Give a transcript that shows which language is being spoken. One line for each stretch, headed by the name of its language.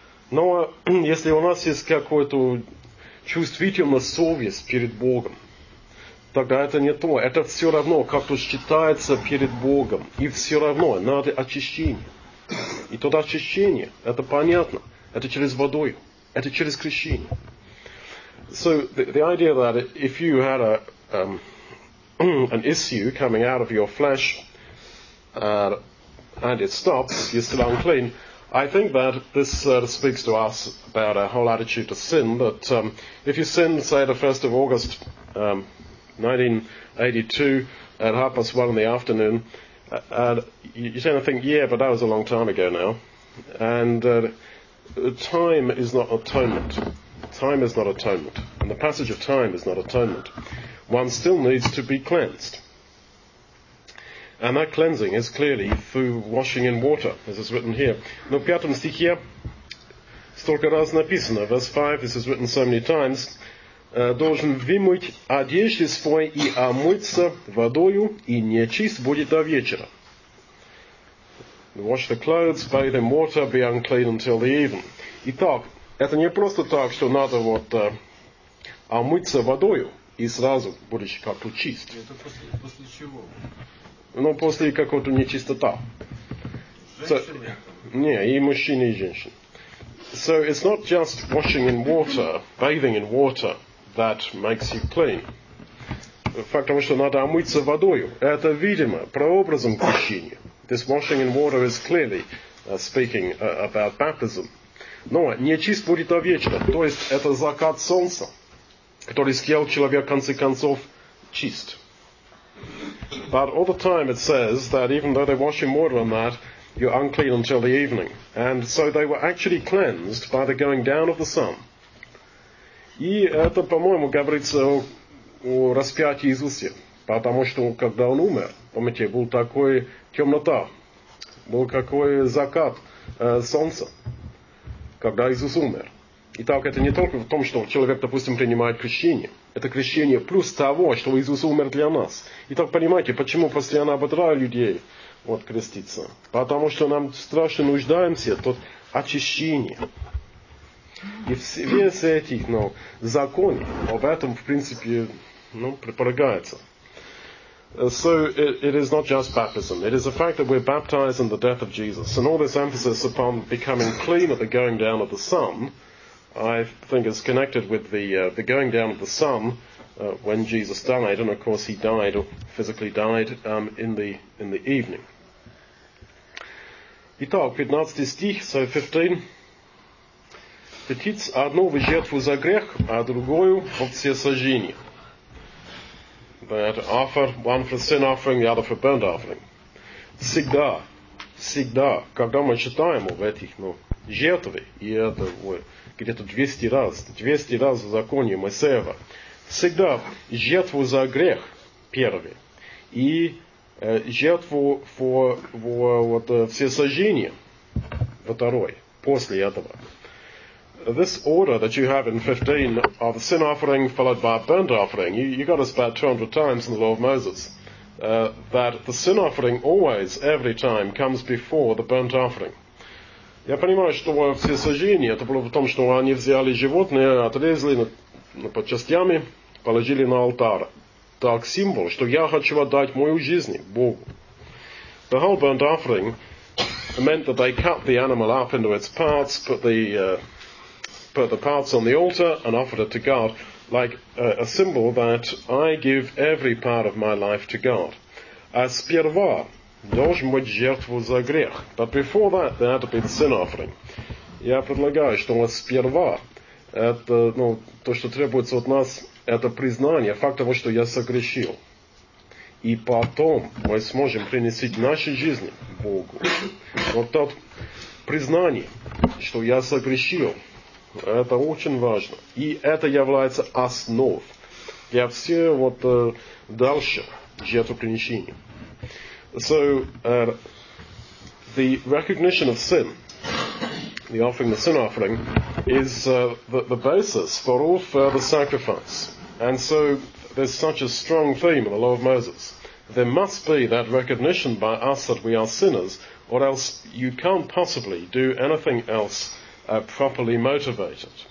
Russian: Но если у нас есть какую-то чувствительность, совесть перед Богом, тогда это не то. Это все равно как-то считается перед Богом. И все равно надо очищение. И то очищение, это понятно, это через водой, это через крещение.
English: So the idea that if you had a an issue coming out of your flesh and it stops, you're still unclean. I think that this speaks to us about our whole attitude to sin. That if you sin, say the 1st of August 1982 at 1:30 in the afternoon. You tend to think, yeah, but that was a long time ago now. And time is not atonement. Time is not atonement. And the passage of time is not atonement. One still needs to be cleansed. And that cleansing is clearly through washing in water, as is written here.
Russian: Но в пятом стихе столько раз написано.
English: Verse 5, this is written so many times.
Russian: Должен вымыть одежды свои и омыться водою, и нечист будет до вечера.
English: Wash the clothes, bathe in water, be unclean until the even.
Russian: Итак, это не просто так, что надо вот омыться водою, и сразу будешь как-то чист. Это после чего? Ну, после какого-то нечистота. Женщины? Не, и мужчины, и женщины.
English: So, it's not just washing in water, bathing in water, that makes you clean.
Russian: Факт того, что надо омыться водою, это видимо прообразом крещения.
English: This washing in water is clearly speaking about baptism.
Russian: Но нечист будет до вечера, то есть это закат солнца, который сделал человек в конце концов чист.
English: But all the time it says that even though they wash in water on that, you're unclean until the evening. And so they were actually cleansed by the going down of the sun.
Russian: И это, по-моему, говорится о распятии Иисуса, потому что когда он умер, помните, был такой темнота, был какой закат солнца, когда Иисус умер. Итак, это не только в том, что человек, допустим, принимает крещение. Это крещение плюс того, что Иисус умер для нас. Итак, понимаете, почему постоянно ободряю людей вот креститься? Потому что нам страшно нуждаемся в том очищении. И все эти, ну, законы об этом, в принципе, ну, предполагаются.
English: So it is not just baptism. It is the fact that we're baptized in the death of Jesus. And all this emphasis upon becoming clean at the going down of the sun, I think is connected with the going down of the sun when Jesus died. And of course he died, or physically died, in the evening.
Russian: Итак, 15 стих,
English: so 15.
Russian: Птиц одну в жертву за грех, а другую во всесожжение.
English: That offer, one for sin offering, the other for burnt offering.
Russian: Всегда, когда мы читаем в этих, ну, жертвы. И это где-то 200 раз. 200 раз в законе Моисеева. Всегда жертву за грех первый. И жертву вот, всесожжение второй, после этого.
English: This order that you have in 15 of the sin offering followed by a burnt offering, you got this about 200 times in the Law of Moses, that the sin offering always, every time, comes before the burnt offering.
Russian: Я понимаю, что всесожжение, это было в том, что они взяли животное, отрезали по частями, положили на алтарь. Так символ, что я хочу отдать мою жизнь Богу.
English: The whole burnt offering meant that they cut the animal up into its parts, put the parts on the altar and offered it to God, like a symbol that I give every part of my life to God.
Russian: А сперва должен быть жертву за грех.
English: But before that, there had to be the sin offering.
Russian: Я предлагаю, что сперва, это, ну, то, что требуется от нас, это признание факта того, что я согрешил. И потом мы сможем принести наши жизни Богу. Вот тот признание, что я согрешил, это очень важно. И это является основой для всего вот, дальше жертвоприношения.
English: So, the recognition of sin, the offering, the sin offering, is the basis for all further sacrifice. And so there's such a strong theme in the Law of Moses. There must be that recognition by us that we are sinners, or else you can't possibly do anything else properly motivated.